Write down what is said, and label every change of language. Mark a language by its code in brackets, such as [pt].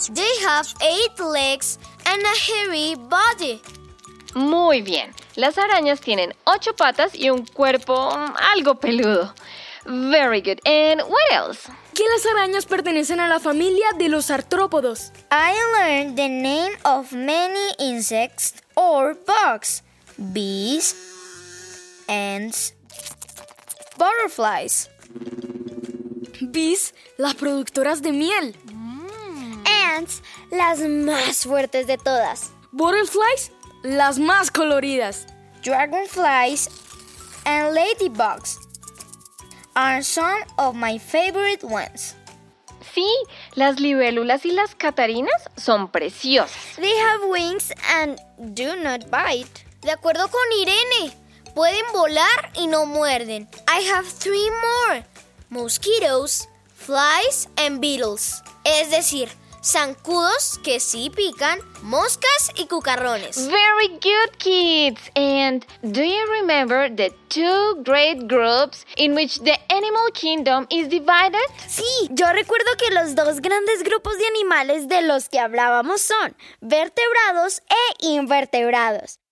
[en] They have 8 legs and a hairy body. [es] Muy bien. Las arañas tienen 8 patas y un cuerpo algo peludo. [en] Very good. And what else? [es] Que las arañas pertenecen a la familia de los artrópodos. [en] I learned the name of many insects or bugs. Bees, ants, butterflies. [es] Bees, las productoras de miel. Ants, las más fuertes de todas. Butterflies, las más coloridas. [en] Dragonflies and ladybugs are some of my favorite ones. [es] Sí, las libélulas y las catarinas son preciosas. [en] They have wings and do not bite. [es] De acuerdo con Irene, pueden volar y no muerden. [en] I have 3 more. Mosquitoes, flies and beetles. [es] Es decir, zancudos, que sí pican, moscas y cucarrones. [en] Very good, kids. And do you remember the 2 great groups in which the animal kingdom is divided? [es] Sí, yo recuerdo que los 2 grandes grupos de animales de los que hablábamos son vertebrados e invertebrados.